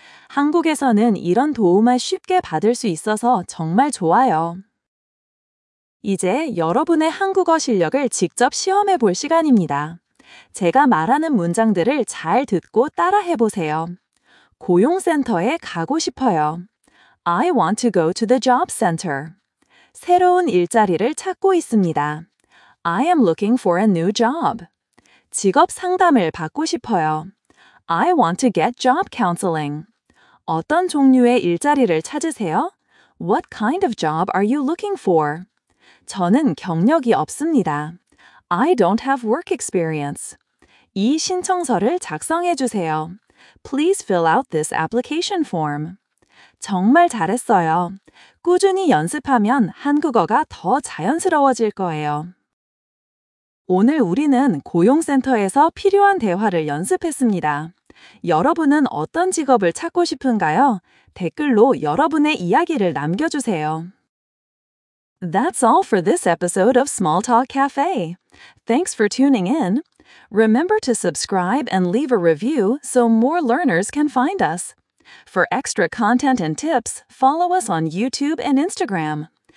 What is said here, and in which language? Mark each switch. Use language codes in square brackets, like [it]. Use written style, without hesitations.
[ko] 한국에서는 이런 도움을 쉽게 받을 수 있어서 정말 좋아요. 이제 여러분의 한국어 실력을 직접 시험해 볼 시간입니다. 제가 말하는 문장들을 잘 듣고 따라해 보세요. 고용센터에 가고 싶어요. [en] I want to go to the job center. [ko] 새로운 일자리를 찾고 있습니다. [en] I am looking for a new job. [ko] 직업 상담을 받고 싶어요. [en] I want to get job counseling. [ko] 어떤 종류의 일자리를 찾으세요? [en] What kind of job are you looking for? [ko] 저는 경력이 없습니다. [en] I don't have work experience. [ko] 이 신청서를 작성해 주세요. [en] Please fill out this application form. [ko] 정말 잘했어요. 꾸준히 연습하면 한국어가 더 자연스러워질 거예요. 오늘 우리는 고용센터에서 필요한 대화를 연습했습니다. 여러분은 어떤 직업을 찾고 싶은가요? 댓글로 여러분의 이야기를 남겨주세요. [en] That's all for this episode of Small Talk Cafe. Thanks for tuning in. Remember to subscribe and leave a review so more learners can find us. For extra content and tips, follow us on YouTube and Instagram.